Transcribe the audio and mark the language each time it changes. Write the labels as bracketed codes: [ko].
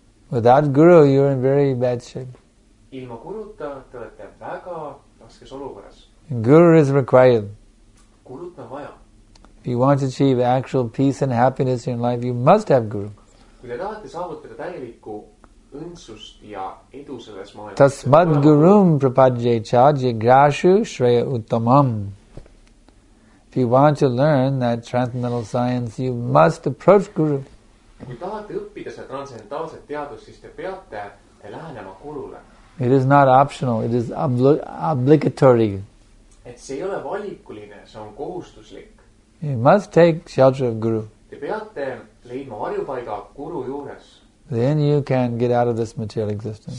[en] Without guru, you are in very bad shape. [et] Ilma guruta, te olete väga raskes olukorras. [en] Guru is required. [et] Gurut on vaja. [en] If you want to achieve actual peace and happiness in life, you must have guru. [et] Kui te tahate saavutada täielikku õndsust ja edu selles maailmas. [sa] Tasmad gurum prapadje chaje grashu shreya uttamam. [en] If you want to learn that transcendental science, you must approach guru. [et] Kui tahate õppida seda transcendentaalset teadust, siis te peate lähenema gurule. [en] It is not optional, it is obligatory. [et] Et see ei ole valikuline, see on kohustuslik. [en] You must take shelter of guru. [et] Te peate leidma varjupaiga guru juures. [en] Then you can get out of this material existence.